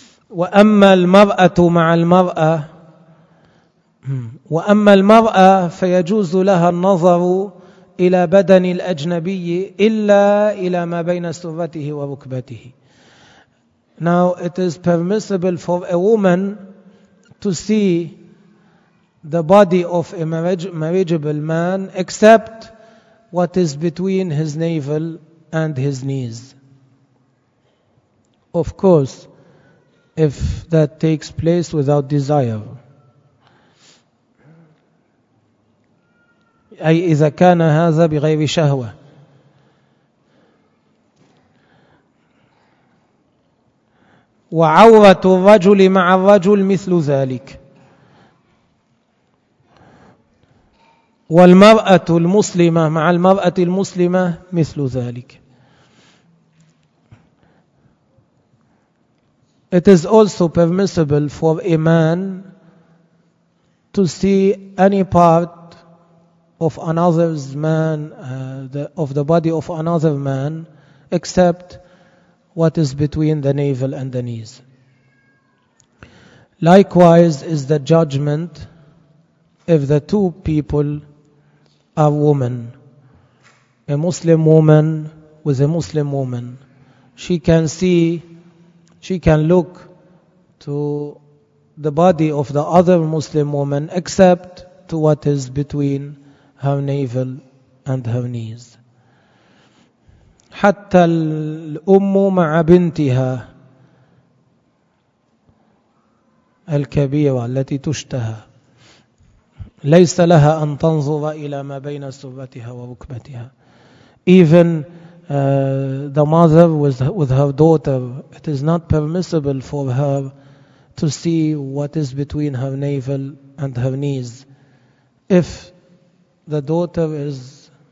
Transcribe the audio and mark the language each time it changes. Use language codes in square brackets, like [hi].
[ar] وأما المرأة مع المرأة وأما المرأة فيجوز لها النظر إلى بدن الأجنبي إلا إلى ما بين سرته وركبته. [en] Now it is permissible for a woman to see the body of a marriageable man except what is between his navel and his knees. Of course, if that takes place without desire. [ar] أي إذا كان هذا بغير شهوة. وعورة الرجل مع الرجل مثل ذلك. والمرأة المسلمة مع المرأة المسلمة مثل ذلك. [en] It is also permissible for a man to see any part of another's man, of the body of another man, except what is between the navel and the knees. Likewise is the judgment if the two people are women. A Muslim woman with a Muslim woman. She can see, she can look to the body of the other Muslim woman except to what is between her navel and her knees. [ar] حتى الأم مع بنتها الكبيرة التي تشتهى ليس لها أن تنظر إلى ما بين سرتها وركبتها. [en] Even the mother with her daughter, it is not permissible for her to see what is between her navel and her knees if the daughter is